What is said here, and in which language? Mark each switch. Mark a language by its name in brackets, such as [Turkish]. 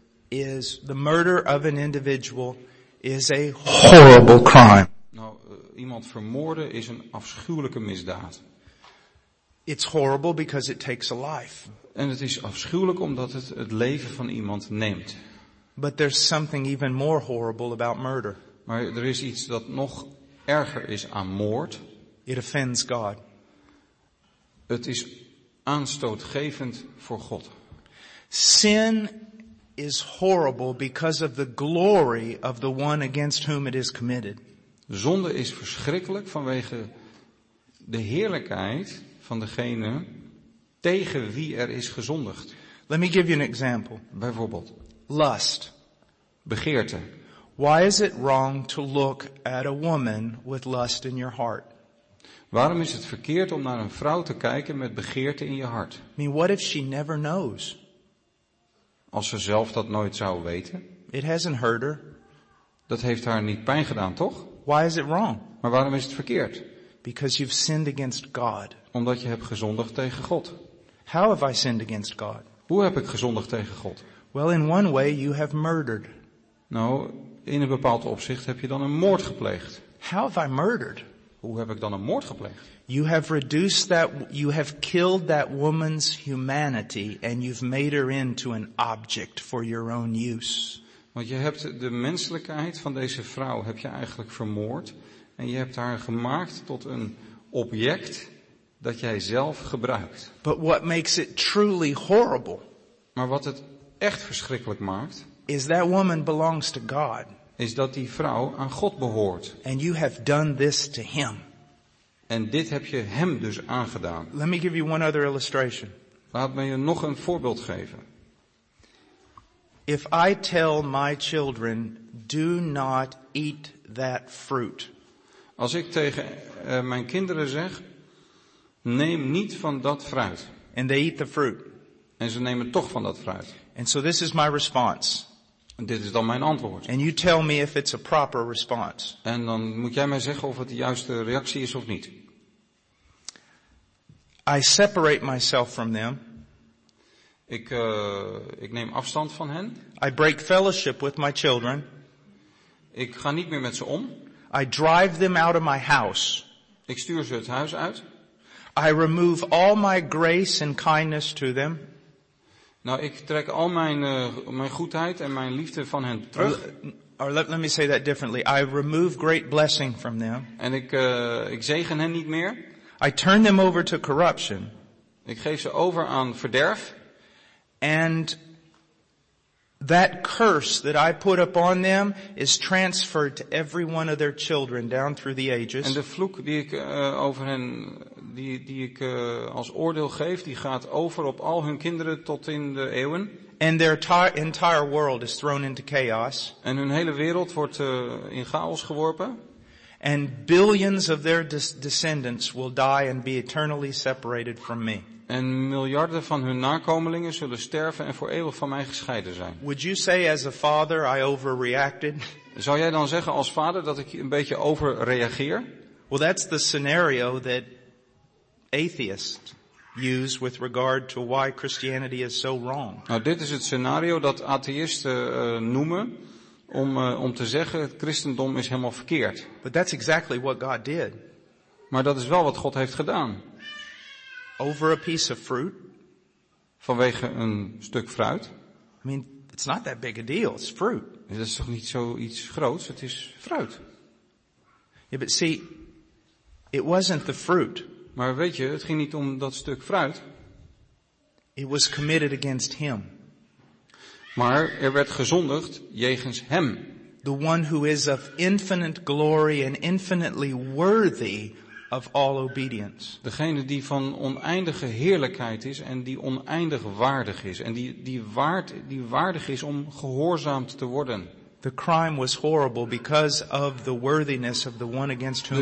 [English] The murder of an individual is a horrible crime. [Dutch] Nou, iemand vermoorden is een afschuwelijke misdaad. [English] It's horrible because it takes a life. [Dutch] En het is afschuwelijk omdat het het leven van iemand neemt. [English] But there's something even more horrible about murder. [Dutch] Maar er is iets dat nog erger is aan moord. [English] It offends God. [Dutch] Het is aanstootgevend voor God. [English] Sin is horrible because of the glory of the one against whom it is committed. [Dutch] Zonde is verschrikkelijk vanwege de heerlijkheid van degene tegen wie er is gezondigd. [English] Let me give you an example. [Dutch] Bijvoorbeeld. [English] Lust. [Dutch] Begeerte. [English] Why is it wrong to look at a woman with lust in your heart? [Dutch] Waarom is het verkeerd om naar een vrouw te kijken met begeerte in je hart? [English] I mean, what if she never knows? [Dutch] Als ze zelf dat nooit zou weten. [English] It hasn't hurt her. [Dutch] Dat heeft haar niet pijn gedaan, toch? [English] Why is it wrong? [Dutch] Maar waarom is het verkeerd? [English] Because you've sinned against God. [Dutch] Omdat je hebt gezondigd tegen God. [English] How have I sinned against God? [Dutch] Hoe heb ik gezondigd tegen God? [English] Well, in one way you have murdered. [Dutch] Nou, in een bepaald opzicht heb je dan een moord gepleegd. [English] How have I murdered? [Dutch] Hoe heb ik dan een moord gepleegd? [English] You have reduced that, you have killed that woman's humanity and you've made her into an object for your own use. [Dutch] Want je hebt de menselijkheid van deze vrouw heb je eigenlijk vermoord. En je hebt haar gemaakt tot een object dat jij zelf gebruikt. [English] But what makes it truly horrible, [Dutch] maar wat het echt verschrikkelijk maakt, [English] is that woman belongs to God. [Dutch] Is dat die vrouw aan God behoort. [English] And you have done this to him. [Dutch] En dit heb je hem dus aangedaan. [English] Let me give you one other illustration. [Dutch] Laat me je nog een voorbeeld geven. [English] If I tell my children, do not eat that fruit. [Dutch] Als ik tegen mijn kinderen zeg, neem niet van dat fruit. [English] And they eat the fruit. [Dutch] En ze nemen toch van dat fruit. [English] And so this is my response. [Dutch] En dit is dan mijn antwoord. [English] And you tell me if it's a proper response. [Dutch] En dan moet jij mij zeggen of het de juiste reactie is of niet. [English] I separate myself from them. [Dutch] Ik neem afstand van hen. [English] I break fellowship with my children. [Dutch] Ik ga niet meer met ze om. [English] I drive them out of my house. [Dutch] Ik stuur ze het huis uit. [English] I remove all my grace and kindness to them. [Dutch] Nou, ik trek al mijn goedheid en mijn liefde van hen terug. [English] Let me say that differently. I remove great blessing from them. [Dutch] En ik zegen hen niet meer. [English] I turn them over to corruption. [Dutch] Ik geef ze over aan verderf. [English] And that curse that I put upon them is transferred to every one of their children down through the ages. [Dutch] En de vloek die ik over hen die ik als oordeel geef, die gaat over op al hun kinderen tot in de eeuwen. [English] And their entire world is thrown into chaos. [Dutch] En hun hele wereld wordt in chaos geworpen. [English] And billions of their descendants will die and be eternally separated from me. [Dutch] En miljarden van hun nakomelingen zullen sterven en voor eeuwig van mij gescheiden zijn. [English] Would you say as a father I overreacted? [Dutch] Zou jij dan zeggen als vader dat ik een beetje overreageer? [English] Well, that's the scenario that atheists use with regard to why Christianity is so wrong. [Dutch] Nou, dit is het scenario dat atheïsten noemen om te zeggen het christendom is helemaal verkeerd. [English] But that's exactly what God did. [Dutch] Maar dat is wel wat God heeft gedaan. [English] Over a piece of fruit. [Dutch] Vanwege een stuk fruit. [English] I mean, it's not that big a deal. It's fruit. [Dutch] Dat is toch niet zoiets groots. Het is fruit. [English] Yeah, but see, it wasn't the fruit. [Dutch] Maar weet je, het ging niet om dat stuk fruit. [English] It was committed against him. [Dutch] Maar er werd gezondigd jegens hem. [English] The one who is of infinite glory and infinitely worthy of all obedience. [Dutch] Degene die van oneindige heerlijkheid is en die oneindig waardig is en die waardig is om gehoorzaamd te worden. [English] The crime was horrible because of the worthiness of the one against whom